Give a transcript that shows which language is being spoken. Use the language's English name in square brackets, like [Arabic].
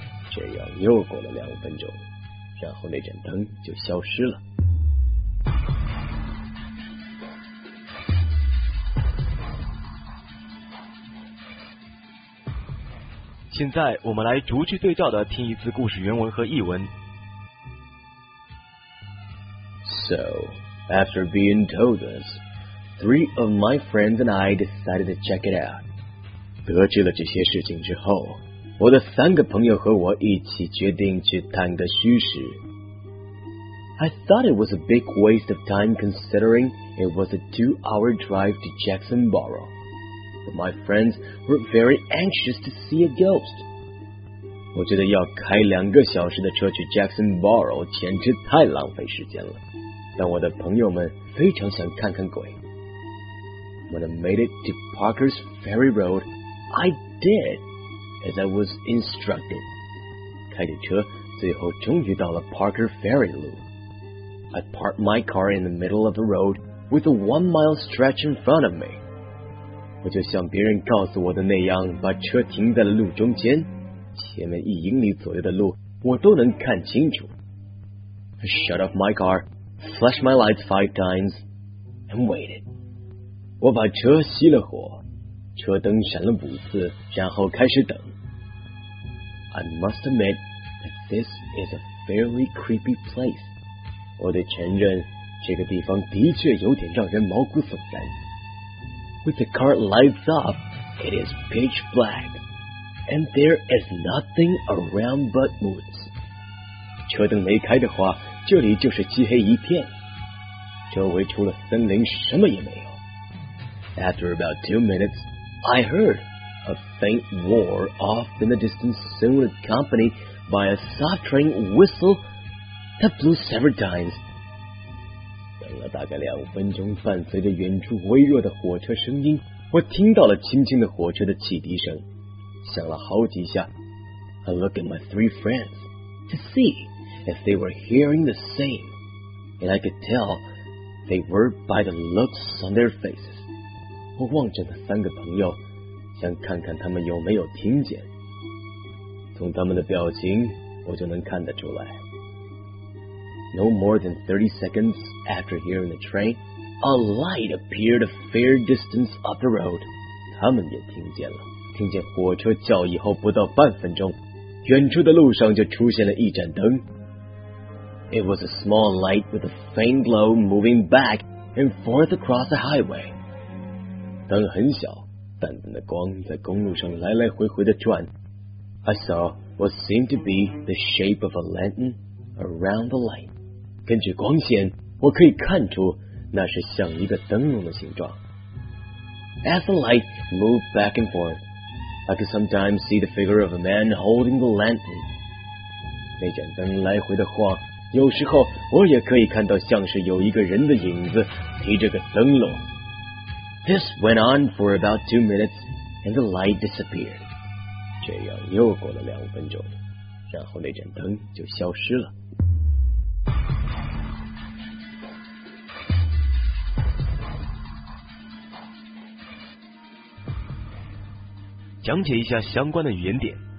[Chinese] 这样又过了2分钟，然后那盏灯就消失了。现在我们来逐句对照的听一次故事原文和译文。 [English] So, after being told this, three of my friends and I decided to check it out. [Chinese] 得知了这些事情之后，我的三个朋友和我一起决定去探个虚实。 [English] I thought it was a big waste of time considering it was a two-hour drive to Jacksonboro. But my friends were very anxious to see a ghost. [Chinese] 我觉得要开2个小时的车去 Jacksonboro 简直太浪费时间了，但我的朋友们非常想看看鬼。 [English] When I made it to Parker's Ferry Road, I did.As I was instructed. [Chinese] 开着车最后终于到了 Parker Ferry 路。 [English] I parked my car in the middle of the road with a 1 mile stretch in front of me. [Chinese] 我就像别人告诉我的那样，把车停在了路中间，前面一英里左右的路我都能看清楚。 [English] I shut off my car, flashed my lights 5 times, and waited. [Chinese] 我把车熄了火，车灯闪了5次，然后开始等。 [English] I must admit that this is a fairly creepy place. [Chinese] 我得承认，这个地方的确有点让人毛骨悚然。 [English] With the car lights off, it is pitch black, and there is nothing around but woods. [Chinese] 车灯没开的话，这里就是漆黑一片，周围除了森林什么也没有。 [English] After about 2 minutes, I heard a faint roar off in the distance, soon accompanied by a soft train whistle. That blew several times. [Chinese] 等了大概2分钟，伴随着远处微弱的火车声音，我听到了轻轻的火车的汽笛声，响了好几下。 [English] I look at my 3 friends to see if they were hearing the same, and I could tell they were by the looks on their faces. [Chinese] 我望着那3个朋友，想看看他们有没有听见。从他们的表情，我就能看得出来。 [English] No more than 30 seconds after hearing the train, a light appeared a fair distance up the road. [Chinese] 他们也听见了，听见火车叫以后不到半分钟，远处的路上就出现了一盏灯。 [English] It was a small light with a faint glow moving back and forth across the highway. [Chinese] 灯很小，淡淡的光在公路上来来回回的转。 [English] I saw what seemed to be the shape of a lantern around the light. [Chinese] 根据光线，我可以看出那是像一个灯笼的形状。 [English] As the light moved back and forth, I could sometimes see the figure of a man holding the lantern. [Chinese] 那盏灯来回的晃，有时候我也可以看到像是有一个人的影子提着个灯笼。 [English] This went on for about 2 minutes, and the light disappeared. [Chinese] 这样又过了2分钟，然后那盏灯就消失了。讲解一下相关的语言点。